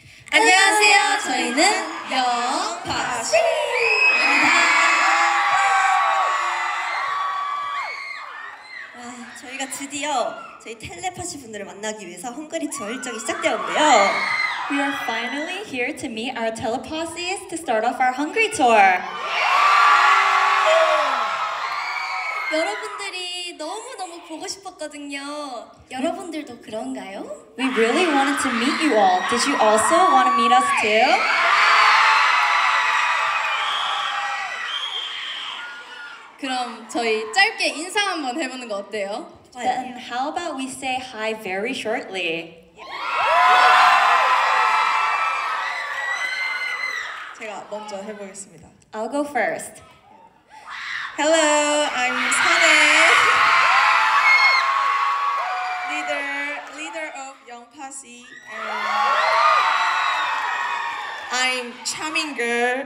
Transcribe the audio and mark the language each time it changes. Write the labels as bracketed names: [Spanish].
[Korean] 안녕하세요. 저희는 영 파시. 와, 저희가 드디어 저희 텔레파시 분들을 만나기 위해서 헝가리 투어 일정이 시작되었는데요. [English] We are finally here to meet our telepathies to start off our hungry tour. [Korean] 여러분들이 너무너무 보고 싶었거든요. 여러분들도 그런가요? [English] We really wanted to meet you all. Did you also want to meet us too? [Korean] 그럼 저희 짧게 인사 한번 해보는 거 어때요? [English] Then how about we say hi very shortly? [Korean] 제가 먼저 해보겠습니다. [English] I'll go first. Hello, I'm Sk8er Boi. Leader of Young Posse. And I'm charming girl.